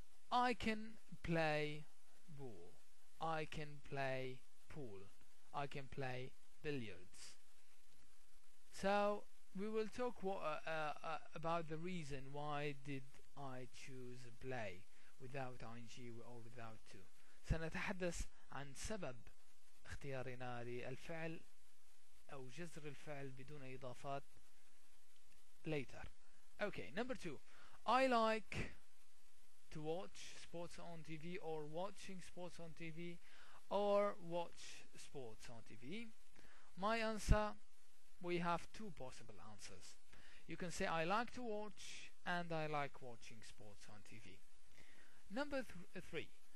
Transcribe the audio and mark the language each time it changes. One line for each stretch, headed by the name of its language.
English: I can play ball. I can play pool. I can play billiards. So we will talk about the reason why did I choose play without ing or without to.
Arabic: سنتحدث عن سبب اختيارنا للفعل أو جزر الفعل بدون إضافات
English: later. Okay, number two. I like to watch sports on TV, or watching sports on TV, or watch sports on TV. My answer, we have two possible answers. You can say I like to watch and I like watching sports on TV. Number three.